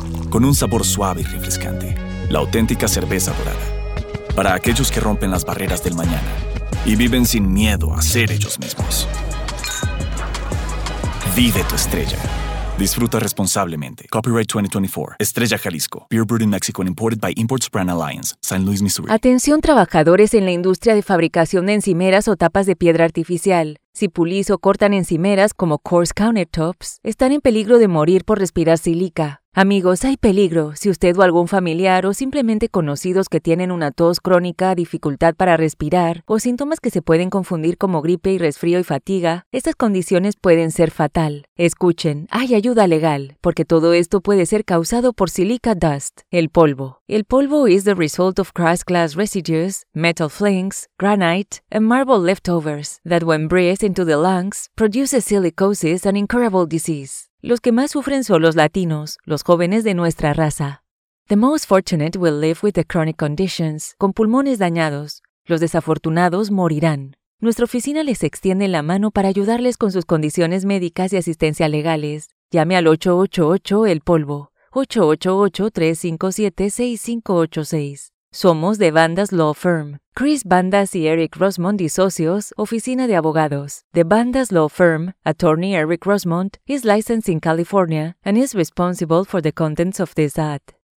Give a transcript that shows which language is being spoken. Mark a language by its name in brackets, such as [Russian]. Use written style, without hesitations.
[Spanish] Con un sabor suave y refrescante. La auténtica cerveza dorada. Para aquellos que rompen las barreras del mañana y viven sin miedo a ser ellos mismos. Vive tu estrella. Disfruta responsablemente. Copyright 2024. Estrella Jalisco. [English] Beer brewed in Mexico and imported by Imports Brand Alliance. [Spanish] San Luis, Missouri. Atención trabajadores en la industria de fabricación de encimeras o tapas de piedra artificial. Si pulís o cortan encimeras como coarse countertops, están en peligro de morir por respirar sílica. Amigos, hay peligro. Si usted o algún familiar o simplemente conocidos que tienen una tos crónica, dificultad para respirar o síntomas que se pueden confundir como gripe y resfrío y fatiga, estas condiciones pueden ser fatal. Escuchen, hay ayuda legal, porque todo esto puede ser causado por silica dust, el polvo. [English] El polvo is the result of crushed glass residues, metal flakes, granite, and marble leftovers that when breathed into the lungs, produces silicosis and incurable disease. [Spanish] Los que más sufren son los latinos, los jóvenes de nuestra raza. [English] The most fortunate will live with the chronic conditions, [Spanish] con pulmones dañados. Los desafortunados morirán. Nuestra oficina les extiende la mano para ayudarles con sus condiciones médicas y asistencia legales. Llame al 888-EL-POLVO, 888-357-6586. Somos de Bandas Law Firm. Chris Bandas y Eric Rosmond y socios, oficina de abogados. [English] The Bandas Law Firm, attorney Eric Rosmond, is licensed in California and is responsible for the contents of this ad.